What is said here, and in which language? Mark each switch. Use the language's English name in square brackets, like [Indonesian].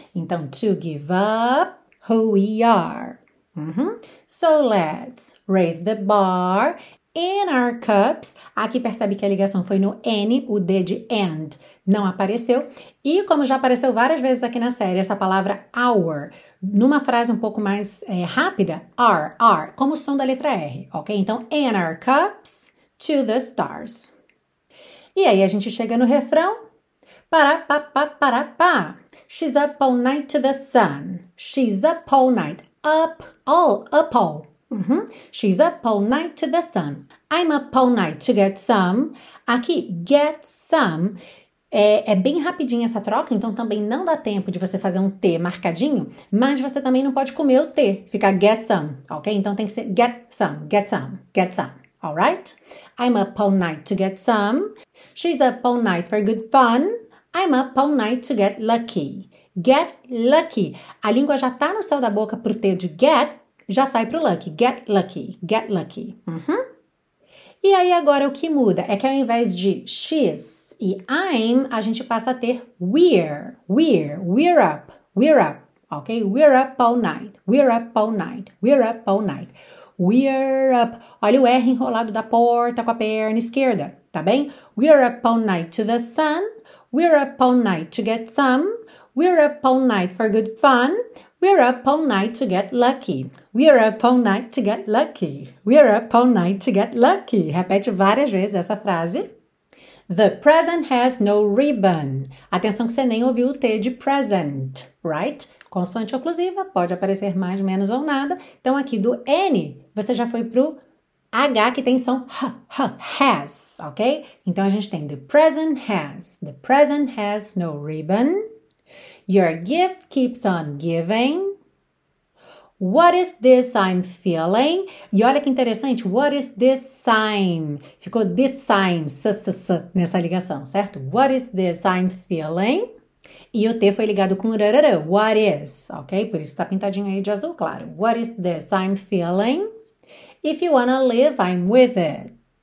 [Portuguese] Então, [English] to give up who we are. Uhum. So let's raise the bar in our cups. [Portuguese] Aqui percebe que a ligação foi no N, o D de and não apareceu. E como já apareceu várias vezes aqui na série, essa palavra our, numa frase um pouco mais rápida, R, como o som da letra R, ok? Então, [English] in our cups to the stars. [Portuguese] E aí a gente chega no refrão. Para pa pa para pa. [English] She's up all night to the sun. She's up all night. Up all. Uh-huh. She's up all night to the sun. I'm up all night to get some. [Portuguese] Aqui, [English] get some. [Portuguese] É bem rapidinho essa troca, então também não dá tempo de você fazer um T marcadinho, mas você também não pode comer o T, ficar [English] get some, [Portuguese] ok? Então tem que ser [English] get some, get some, get some. All right? I'm up all night to get some. She's up all night for good fun. I'm up all night to get lucky. Get lucky. [Portuguese] A língua já tá no céu da boca pro T de get, já sai pro lucky. [English] Get lucky. Get lucky. [Portuguese] Uhum. E aí agora o que muda é que ao invés de she's e I'm, a gente passa a ter [English] we're up. We're up. Ok? We're up all night. We're up all night. We're up all night. We're up. [Portuguese] Olha o R enrolado da porta com a perna esquerda, tá bem? [English] We're up all night to the sun. We're up all night to get some. We're up all night for good fun. We're up all night to get lucky. We're up all night to get lucky. We're up all night to get lucky. [Portuguese] Repete várias vezes essa frase. [English] The present has no ribbon. [Portuguese] Atenção que você nem ouviu o T de present, right? Consoante oclusiva, pode aparecer mais, menos ou nada. Então, aqui do N, você já foi pro H, que tem som has, ok? Então, a gente tem [English] the present has no ribbon. Your gift keeps on giving. What is this I'm feeling? [Portuguese] E olha que interessante, [English] what is this I'm? [Portuguese] Ficou this I'm, s-s-s, nessa ligação, certo? [English] What is this I'm feeling? [Portuguese] E o T foi ligado com rarara, what is, ok? Por isso tá pintadinho aí de azul, claro. [English] What is this I'm feeling? If you wanna live, I'm with it.